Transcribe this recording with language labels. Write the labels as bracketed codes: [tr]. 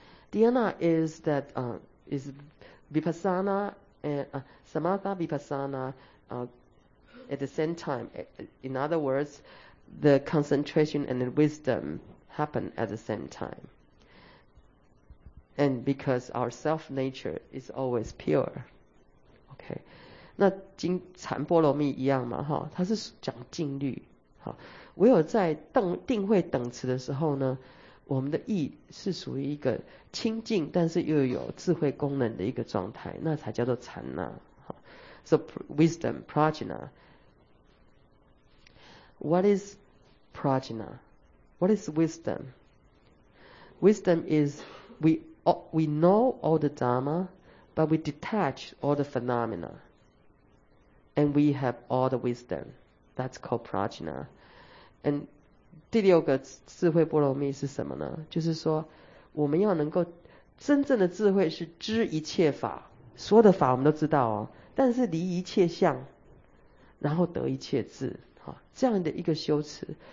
[en] Dhyana is that is vipassana and samatha vipassana at the same time. In other words, the concentration and the wisdom happen at the same time. And because our self nature is always pure, okay. [zh] 那经禅波罗蜜一样嘛，哈，它是讲静虑。好，唯有在定慧等持的时候呢。我们的意是属于一个清净，但是又有智慧功能的一个状态，那才叫做禅呐。 [en] So wisdom, prajna. What is prajna? What is wisdom? Wisdom is we know all the dharma, but we detach all the phenomena, and we have all the wisdom. That's called prajna. [zh] And第六个智慧波罗蜜是什么呢？就是说我们要能够真正的智慧是知一切法，所有的法我们都知道哦，但是离一切相，然后得一切智，这样的一个修持。